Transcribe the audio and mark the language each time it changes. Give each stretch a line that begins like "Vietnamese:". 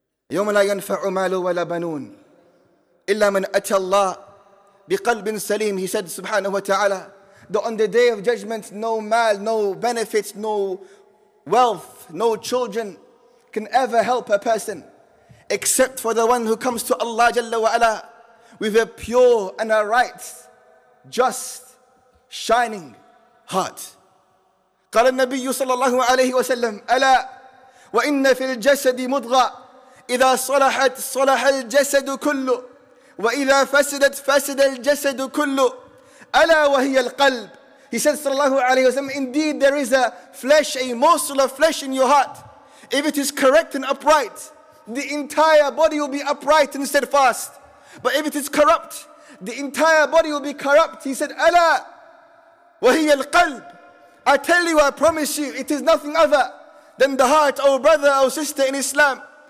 Arabic: يوم لا ينفع مال ولا بنون إلا من أتى الله بقلب سليم.
English: He said subhanahu wa ta'ala, that on the day of judgment, no mal, no benefits, no wealth, no children can ever help a person except for the one who comes to Allah Jalla wa Ala with a pure and a right, just, shining heart.
Arabic: قال النبي صلى الله عليه وسلم, ألا وإن في الجسد مضغة إذا صلحت صلح الجسد كله وإذا فسدت فسد الجسد كله ألا وهي القلب.
English: He said صلى الله عليه وسلم, indeed there is a flesh, a morsel of flesh in your heart. If it is correct and upright, the entire body will be upright and steadfast. But if it is corrupt, the entire body will be corrupt. He said,
Arabic: أَلَا وَهِيَ الْقَلْبِ.
English: I tell you, I promise you, it is nothing other than the heart, O brother, O sister in Islam.